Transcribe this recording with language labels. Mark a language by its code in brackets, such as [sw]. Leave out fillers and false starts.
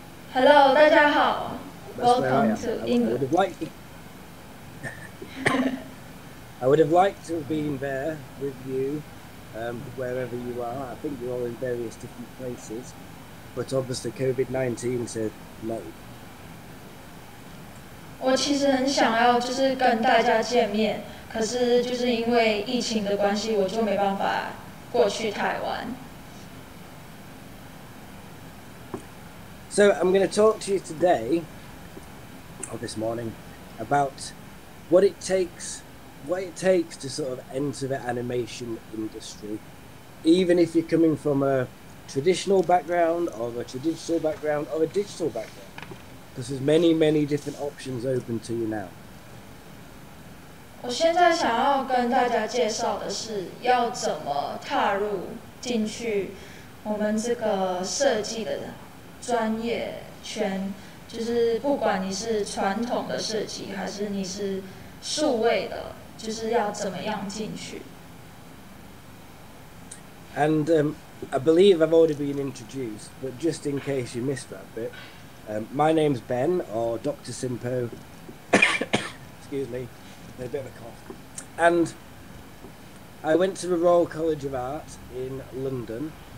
[en] Hello, [zh] 大家好 [en] Welcome to England. I would have liked to have been there with you, wherever you are. I think you're all in various different places, but obviously COVID-19 said no. [zh] 我其实很想要就是跟大家见面，可是就是因为疫情的关系，我就没办法过去台湾。 [en] So I'm going to talk to you today, or this morning, about what it takes to sort of enter the animation industry, even if you're coming from a traditional background or a traditional background or a digital background, because there's many, many different options open to you now. [zh] 我现在想要跟大家介绍的是要怎么踏入进去我们这个设计的专业圈，就是不管你是传统的设计还是你是数位的，就是要怎么样进去。 [en] And I believe I've already been introduced, but just in case you missed that bit, my name's Ben, or Dr. Simpo. excuse me, a bit of a cough. And I went to the Royal College of Art in London.